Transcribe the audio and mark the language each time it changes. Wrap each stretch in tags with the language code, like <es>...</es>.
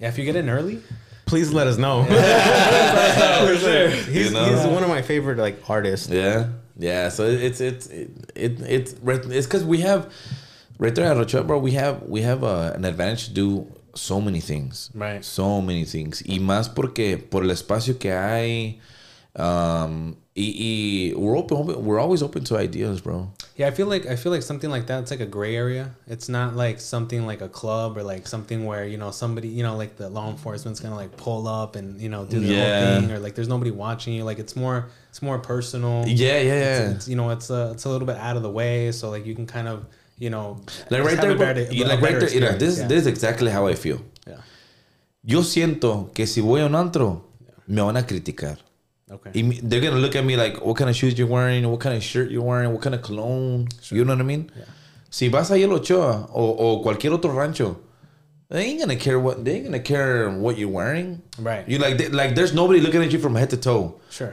<en>Yeah, if you get in early, please let us know. Yeah. For sure. He's, you know? He's one of my favorite, like, artists. Yeah. Yeah, so it's because we have, right there at Rancho, bro, we have an advantage to do so many things. Right. So many things.</en> <es>Y más porque por el espacio que hay...</es> <en>We're always open to ideas, bro. Yeah, I feel like something like that, it's like a gray area. It's not like something like a club or like something where, you know, somebody, you know, like the law enforcement's gonna like pull up and, you know, do their whole thing, or like there's nobody watching you. Like it's more personal. Yeah. It's a little bit out of the way, so like you can kind of, you know, like right there, this is exactly how I feel. Yeah.</en> <es>Yo siento que si voy a un antro, me van a criticar.</es> <en>Okay. They're gonna look at me like, what kind of shoes you're wearing, what kind of shirt you're wearing, what kind of cologne. Sure. You know what I mean? Yeah.</en> <es>Si vas a El Ochoa o cualquier otro rancho,</es> <en>they ain't gonna care what you're wearing. Right. You like there's nobody looking at you from head to toe. Sure.</en>